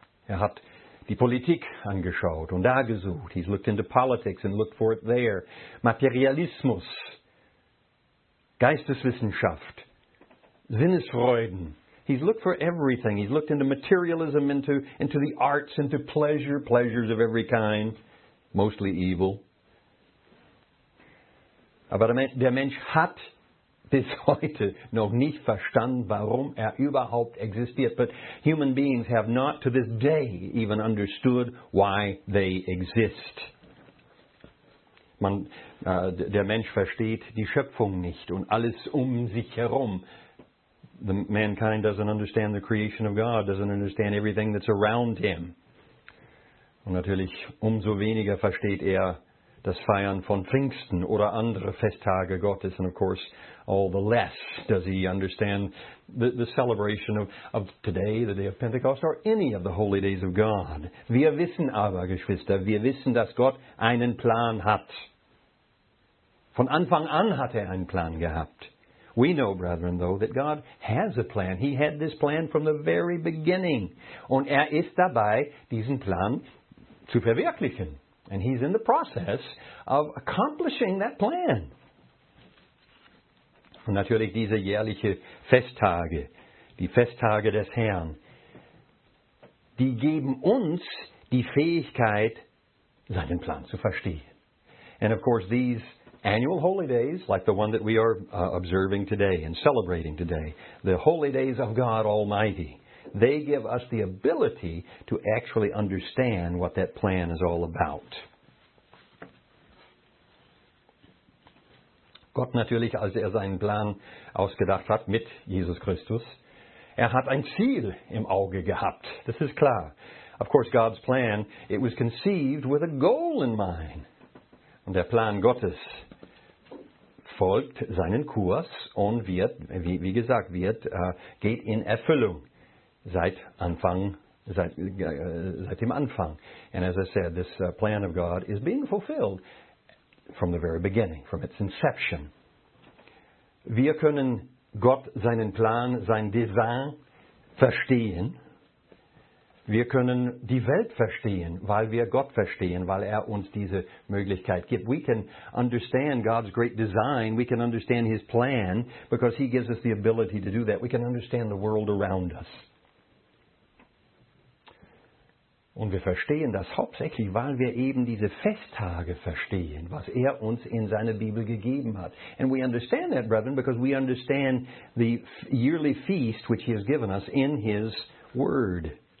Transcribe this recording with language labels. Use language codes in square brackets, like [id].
[de] Er hat die Politik angeschaut und da gesucht. [en] He's looked into politics and looked for it there. [de] Materialismus, Geisteswissenschaft, Sinnesfreuden. [en] He's looked for everything. He's looked into materialism, into the arts, into pleasure, pleasures of every kind, mostly evil. [de] Aber der Mensch hat bis heute noch nicht verstanden, warum er überhaupt existiert. [en] But human beings have not to this day even understood why they exist. [de] Der Mensch versteht die Schöpfung nicht und alles um sich herum. [en] The mankind doesn't understand the creation of God, doesn't understand everything that's around him. [de] Und natürlich umso weniger versteht er das Feiern von Pfingsten oder andere Festtage Gottes. [en] And of course, all the less does he understand the celebration of today, the day of Pentecost, or any of the holy days of God. [de] Wir wissen aber, Geschwister, wir wissen, dass Gott einen Plan hat. Von Anfang an hat er einen Plan gehabt. [en] We know, brethren, though, that God has a plan. He had this plan from the very beginning. [de] Und er ist dabei, diesen Plan zu verwirklichen. [en] And he's in the process of accomplishing that plan. [de] Und natürlich diese jährliche Festtage, die Festtage des Herrn, die geben uns die Fähigkeit, seinen Plan zu verstehen. [en] And of course, these annual holy days, like the one that we are observing today and celebrating today, the holy days of God Almighty, they give us the ability to actually understand what that plan is all about. [de] Gott natürlich, als er seinen Plan ausgedacht hat mit Jesus Christus, er hat ein Ziel im Auge gehabt. Das ist klar. [en] Of course, God's plan, it was conceived with a goal in mind. [de] Und der Plan Gottes folgt seinen Kurs und wird, wie gesagt, geht in Erfüllung seit dem Anfang. [en] And as I said, this plan of God is being fulfilled from the very beginning, from its inception. [de] Wir können Gott seinen Plan, sein Design verstehen. Wir können die Welt verstehen, weil wir Gott verstehen, weil er uns diese Möglichkeit gibt. [en] We can understand God's great design. We can understand his plan because he gives us the ability to do that. We can understand the world around us. [de] Und wir verstehen das hauptsächlich, weil wir eben diese Festtage verstehen, was er uns in seine Bibel gegeben hat. [en] And we understand that, brethren, because we understand the yearly feast which he has given us in his word.